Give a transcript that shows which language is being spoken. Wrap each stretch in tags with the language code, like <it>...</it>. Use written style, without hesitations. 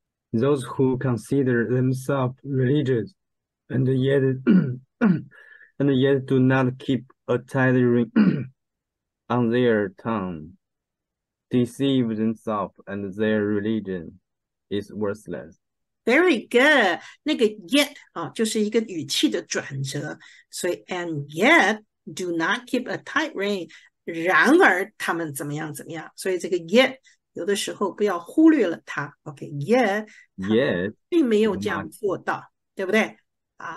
<en>those who consider themselves religious and yet and yet do not keep a tight rein on their tongue, deceive themselves and their religion is worthless. Very good.</en> <zh>那个 yet、啊、就是一个语气的转折。</zh> <en>所以 and yet do not keep a tight rein.</en> <zh>然而他们怎么样怎么样。所以这个 yet 有的时候不要忽略了它。</zh> <en>Okay, yet, yet</en> <zh>并没有这样做到 对不对啊、</zh>